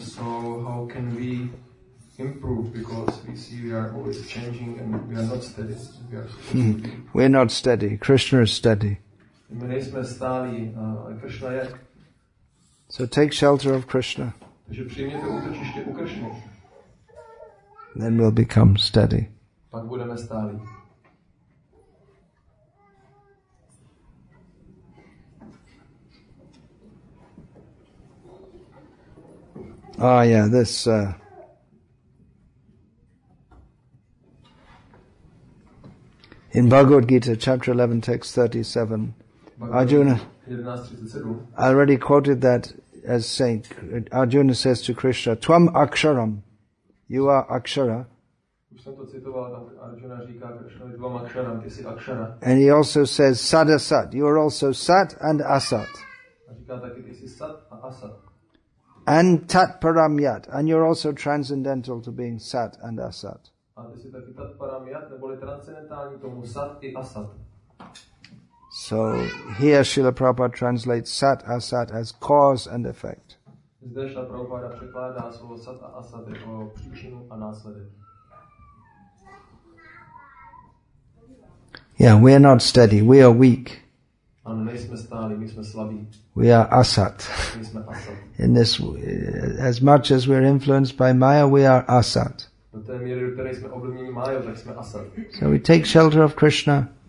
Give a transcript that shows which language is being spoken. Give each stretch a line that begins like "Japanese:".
English: So how can we improve? Because we see we are always changing and we are not steady. We are We're not steady. Krishna is steady.
Czech: My nejsme stálí, Krishna je.
English: So take shelter of Krishna.
Czech: Takže přijměte útočiště u Krishny.
English: Then we'll become steady.
Czech: Pak budeme stáli.
English: Ah, yeah, this. In Bhagavad Gita, chapter 11, text 37, Arjuna. I already quoted that as saying, Arjuna says to Krishna, Tvam Aksharam. You are Akshara.
Czech: Už jsem to citoval, tam Arjuna říká Krishnovi dvěma aksharam, ty jsi Akshara.
English: And he also says Sadasat. You are also Sat and Asat.
Czech: A říká taky, ty jsi Sat a Asat.
English: And
Sanskrit: Tat Param Yat.
English: And you're also transcendental to being Sat and Asat.
Czech: A ty jsi taky
Sanskrit: Tat Param Yat,
Czech: neboli transcendentální tomu Sat i Asat.
English: So here Srila Prabhupada translates Sat Asat as cause and effect.
Czech: Zde Srila Prabhupada překládá slovo sat a asat jako příčinu a následek.
English: Yeah, we are not steady. We are weak.
Czech: Ano, nejsme stáli, my jsme slabí.
English: We are asat.
Czech: My jsme asat.
English: In this, as much as we are influenced by Maya, we are asat.
Czech: Do té míry, do které jsme ovlivněni Maya, tak jsme asat.
English: So we take shelter of Krishna.